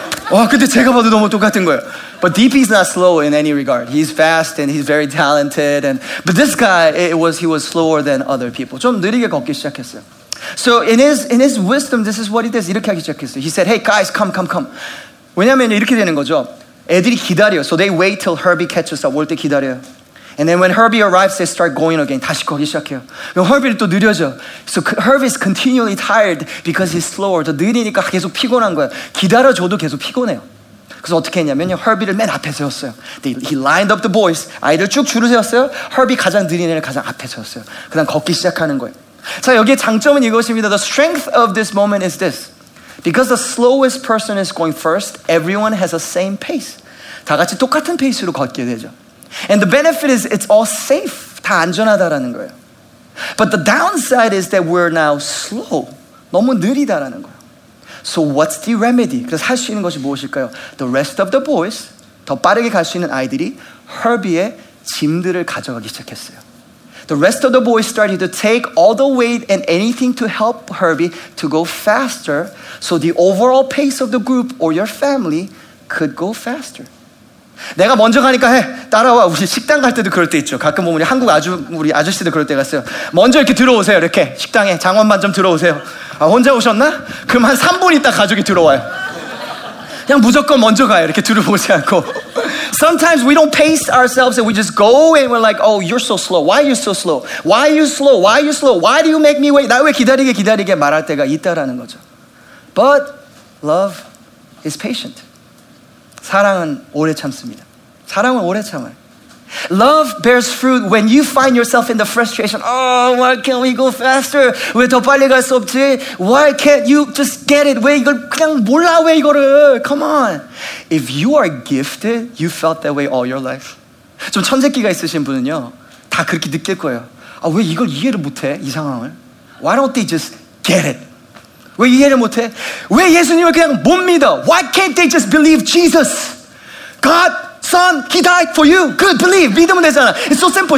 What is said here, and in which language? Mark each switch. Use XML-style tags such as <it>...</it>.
<ko>와, 근데 제가 봐도 너무 똑같은 거예요.</ko> <en>But DP is not slow in any regard. He's fast and he's very talented. But this guy, he was slower than other people.</en> <ko>좀 느리게 걷기 시작했어요.</ko> <en>So in his wisdom, this is what he did.</en> <ko>이렇게 하기 시작했어요.</ko> <en>He said, hey, guys, come.</en> <ko>왜냐하면 이렇게 되는 거죠. 애들이 기다려.</ko> <en>So they wait till Herbie catches up.</en> <ko>올 때 기다려요.</ko> <en>And then when Herbie arrives, they start going again.</en> <ko>다시 걷기 시작해요. 그럼 Herbie는 또 느려져.</ko> <en>So Herbie is continually tired because he's slower.</en> <ko>더 느리니까 계속 피곤한 거예요. 기다려줘도 계속 피곤해요. 그래서 어떻게 했냐면요. Herbie를 맨 앞에 세웠어요.</ko> <en>He lined up the boys.</en> <ko>아이들 쭉 줄을 세웠어요. Herbie 가장 느린 애를 가장 앞에 세웠어요. 그 다음 걷기 시작하는 거예요. 자, 여기에 장점은 이것입니다.</ko> <en>The strength of this moment is this. Because the slowest person is going first, everyone has the same pace.</en> <ko>다 같이 똑같은 페이스로 걷게 되죠.</ko> <en>And the benefit is it's all safe.</en> <ko>다 안전하다라는 거예요.</ko> <en>But the downside is that we're now slow.</en> <ko>너무 느리다라는 거예요.</ko> <en>So what's the remedy?</en> <ko>그래서 할 수 있는 것이 무엇일까요?</ko> <en>The rest of the boys,</en> <ko>더 빠르게 갈 수 있는 아이들이 Herbie의 짐들을 가져가기 시작했어요.</ko> <en>The rest of the boys started to take all the weight and anything to help Herbie to go faster so the overall pace of the group or your family could go faster.</en> <ko>내가 먼저 가니까 해. 따라와. 우리 식당 갈 때도 그럴 때 있죠. 가끔 보면 한국 아주 우리 아저씨도 그럴 때 갔어요. 먼저 이렇게 들어오세요. 이렇게 식당에 장원만 좀 들어오세요. 아, 혼자 오셨나? 그럼 한 3분 있다 가족이 들어와요. 그냥 무조건 먼저 가요. 이렇게 들어오지 않고.</ko> <en>Sometimes we don't pace ourselves and we just go and we're like, oh, you're so slow. Why are you so slow? Why are you slow? Why are you slow? Why do you make me wait?</en> <ko>나 왜 기다리게 기다리게 말할 때가 있다라는 거죠.</ko> <en>But love is patient.</en> <ko>사랑은 오래 참습니다. 사랑은 오래 참아요.</ko> <en>Love bears fruit when you find yourself in the frustration. Oh, why can't we go faster?</en> <ko>왜 더 빨리 갈 수 없지?</ko> <en>Why can't you just get it?</en> <ko>왜 이걸 그냥 몰라 왜 이거를?</ko> <en>Come on. If you are gifted, you felt that way all your life.</en> <ko>좀 천재끼가 있으신 분은요, 다 그렇게 느낄 거예요. 아, 왜 이걸 이해를 못해? 이 상황을.</ko> <en>Why don't they just get it?</en> <ko>왜 이해를 못해? 왜 예수님을 그냥 못 믿어?</ko> <en>Why can't they just believe Jesus? God, Son, He died for you. Good, believe.</en> <ko>믿으면 되잖아.</ko> <en>It's so simple.</en>